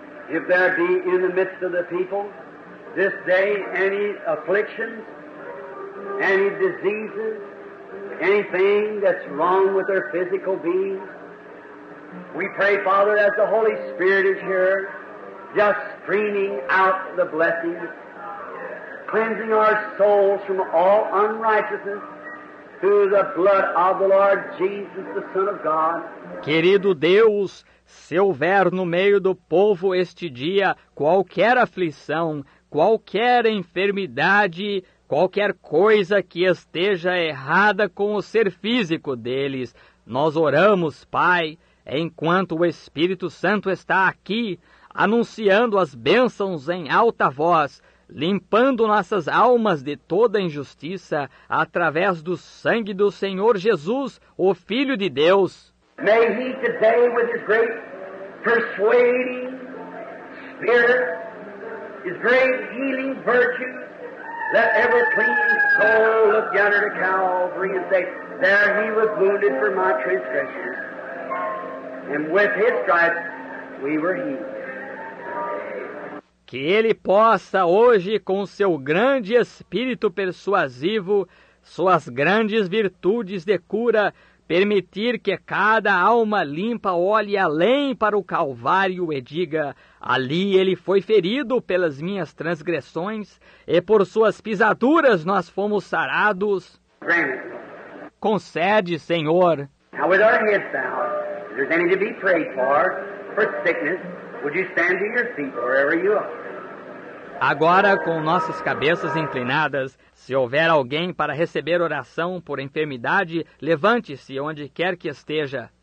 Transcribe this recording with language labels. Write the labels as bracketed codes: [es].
[en] If there be in the midst of the people this day any afflictions, any diseases, anything that's wrong with their physical being, we pray, Father, as the Holy Spirit is here, just streaming out the blessings, cleansing our souls from all unrighteousness, through the blood of the Lord Jesus, the Son of God. [pt] Querido Deus, se houver no meio do povo este dia qualquer aflição, qualquer enfermidade, qualquer coisa que esteja errada com o ser físico deles. Nós oramos, Pai, enquanto o Espírito Santo está aqui, anunciando as bênçãos em alta voz, limpando nossas almas de toda injustiça através do sangue do Senhor Jesus, o Filho de Deus. [en] May he today with his great persuading spirit, his great healing virtue, let every clean soul look down at Calvary and say, there he was wounded for my transgressions, and with his stripes we were healed. [pt] Que ele possa hoje, com seu grande espírito persuasivo, suas grandes virtudes de cura, permitir que cada alma limpa olhe além para o Calvário e diga: ali ele foi ferido pelas minhas transgressões, e por suas pisaduras nós fomos sarados. Concede, Senhor. [en] Now with our heads bowed, if there's any to be prayed for sickness, would you stand to your feet wherever you are? [pt] Agora, com nossas cabeças inclinadas, se houver alguém para receber oração por enfermidade, levante-se onde quer que esteja.